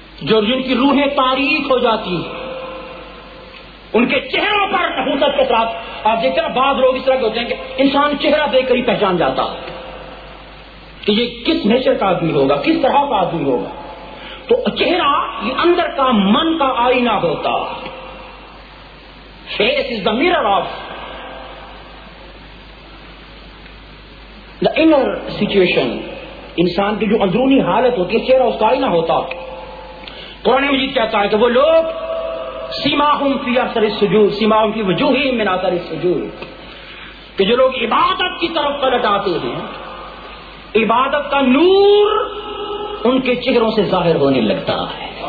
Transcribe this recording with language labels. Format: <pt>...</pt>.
<ur>جو جن کی روحیں تاریک ہو جاتی ہیں ان کے چہروں پر نحوست کے اثرات. آپ دیکھتے ہیں بعض لوگ اس طرح کے ہوتے ہیں کہ انسان چہرہ دیکھ کر ہی پہچان جاتا کہ یہ کس نیچر کا آدمی ہوگا, کس طرح کا آدمی ہوگا. تو چہرہ یہ اندر کا من کا آئینہ ہوتا.</ur> <en>Face is the mirror of the inner situation.</en> <ur>انسان کی جو اندرونی حالت ہوتی ہے چہرہ اس کا آئینہ ہوتا. قرآن مجید کہتا ہے کہ وہ لوگ</ur> <ar>سیماہم فی اثر السجود,</ar> <ur>سیماہم فی وجوہہم من اثر السجود, کہ جو لوگ عبادت کی طرف پلٹ آتے ہیں عبادت کا نور ان کے چہروں سے ظاہر ہونے لگتا ہے.</ur>